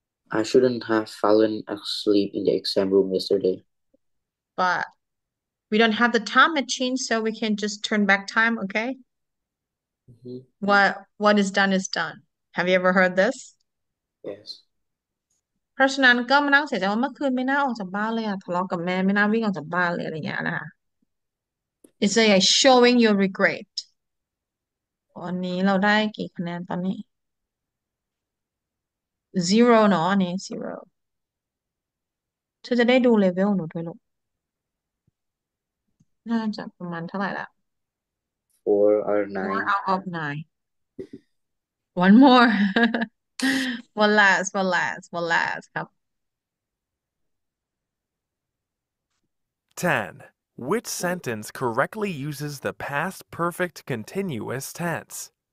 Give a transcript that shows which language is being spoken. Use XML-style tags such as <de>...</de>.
<en>I shouldn't have fallen asleep in the exam room yesterday. But we don't have the time machine, so we can just turn back time, okay? What is done is done. Have you ever heard this? Yes.</en> <th>เพราะฉะนั้นก็มานั่งเสียใจว่าเมื่อคืนไม่น่าออกจากบ้านเลยอะทะเลาะกับแม่ไม่น่าวิ่งออกจากบ้านเลยอะไรเงี้ยนะคะ</th> <en>It's like showing your regret</en> <th>วันนี้เราได้กี่คะแนนตอนนี้ zero เนาะอันนี้ zero เธอจะได้ดูเลเวลหนูด้วยลูกน่าจะประมาณเท่าไหร่ละ</th> <en>4 or four 9. out of nine one more One last, one last, one last. Come. 10. Which sentence correctly uses the past perfect continuous tense?</en>